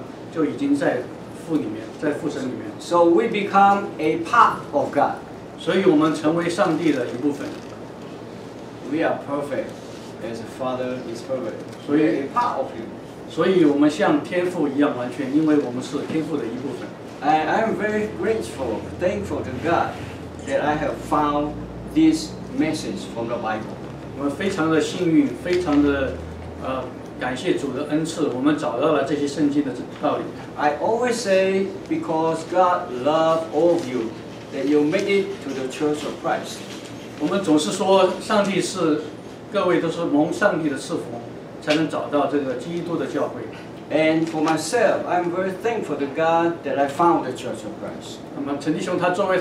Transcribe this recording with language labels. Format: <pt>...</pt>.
<zh>当我们进入耶稣基督，因为基督与父原为一，那我们就已经在父里面。</zh> <en>So we become a part of God.</en> <zh>所以我们成为上帝的一部分。</zh> <en>We are perfect as the Father is perfect. We are a part of Him.</en> <zh>所以我们像天父一样完全，因为我们是天父的一部分。</zh> <en>I am very grateful, thankful to God that I have found this message from the Bible.</en> <zh>我们非常的幸运，非常的。感谢主的恩赐，我们找到了这些圣经的道理。</zh> <en>I always say because God loves all of you that you make it to the Church of Christ.</en> <zh>我们总是说，上帝是各位都是蒙上帝的赐福，才能找到这个基督的教会。</zh> <en>And for myself, I'm very thankful to God that I found the Church of Christ.</en>